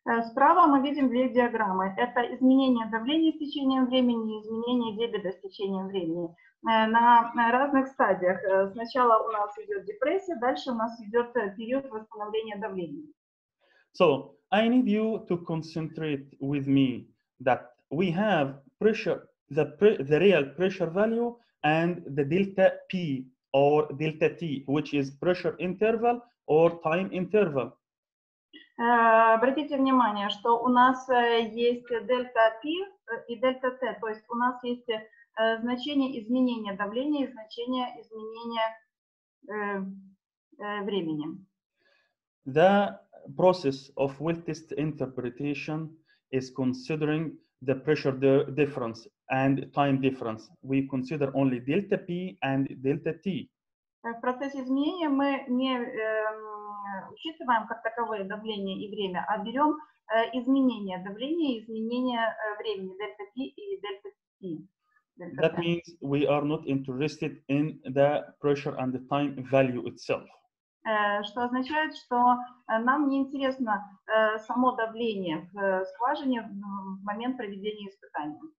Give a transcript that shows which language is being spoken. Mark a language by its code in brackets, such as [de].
[ru] Справа мы видим две диаграммы. Это изменение давления с течением времени и изменение дебета с течением времени. На разных стадиях. Сначала у нас идет депрессия, дальше у нас идет период восстановления давления. [en] So, I need you to concentrate with me that we have pressure, the real pressure value and the delta P or delta T, which is pressure interval or time interval. [ru] Обратите внимание, что у нас есть delta P и delta T, то есть у нас есть значение изменения давления и значение изменения времени. [en] The process of well test interpretation is considering the pressure difference and time difference. We consider only delta P and delta T. [ru] В процессе изменения мы не учитываем как таковые давление и время, а берем изменение давления и изменение времени, delta P и delta T. [en] That means we are not interested in the pressure and the time value itself. [ru] Что означает, что нам не интересно само давление в скважине в момент проведения испытания.